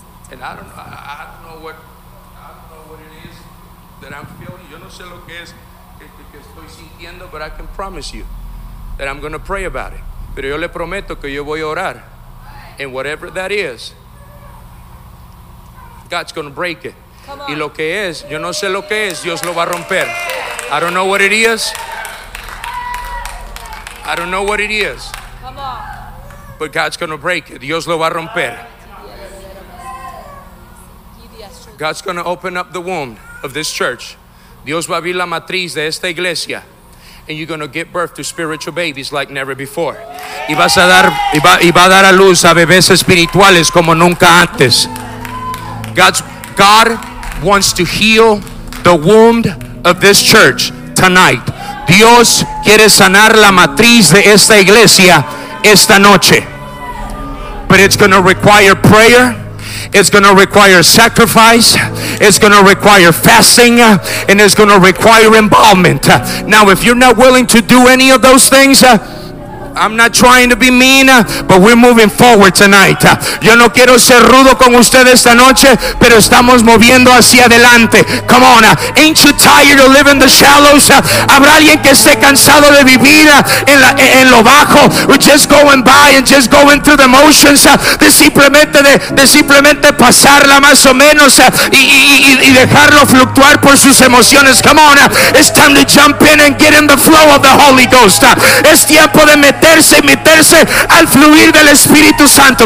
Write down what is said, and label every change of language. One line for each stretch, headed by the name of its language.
English: And I don't know what it is that I'm feeling.
Spanish: Yo no sé lo que es que estoy sintiendo,
English: but I can promise you that I'm going to pray about it.
Spanish: Pero yo le prometo que yo voy a orar.
English: And whatever that is, God's going to break it.
Spanish: Y lo que es, yo no sé lo que es, Dios lo va a romper.
English: I don't know what it is. I don't know what it is. But God's going to break it.
Spanish: Dios lo va a romper.
English: God's going to open up the womb of this church.
Spanish: Dios va a abrir la matriz de esta iglesia.
English: And you're going to give birth to spiritual babies like never before.
Spanish: Y vas a dar, y va a dar a luz a bebés espirituales como nunca antes.
English: God wants to heal the womb of this church tonight.
Spanish: Dios quiere sanar la matriz de esta iglesia esta noche.
English: But it's going to require prayer. It's going to require sacrifice. It's going to require fasting. And it's going to require involvement. Now, if you're not willing to do any of those things, I'm not trying to be mean, but we're moving forward tonight.
Spanish: Yo no quiero ser rudo con ustedes esta noche, pero estamos moviendo hacia adelante.
English: Come on, ain't you tired of living the shallows?
Spanish: Habrá alguien que esté cansado de vivir en lo bajo,
English: or just going by and just going through the motions,
Spanish: de simplemente pasarla más o menos y dejarlo fluctuar por sus emociones.
English: Come on, it's time to jump in and get in the flow of the Holy Ghost.
Spanish: Es tiempo de meterse al fluir del Espíritu Santo.